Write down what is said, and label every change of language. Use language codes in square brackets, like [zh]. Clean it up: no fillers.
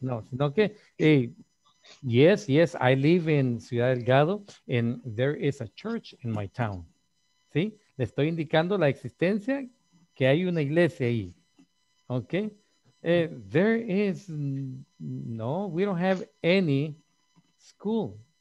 [es] No, sino que, [en] hey, yes, I live in Ciudad Delgado and there is a church in my town. [es] ¿Sí? Le estoy indicando la existencia que hay una iglesia ahí. ¿Ok? [en] There is, no, we don't have any school.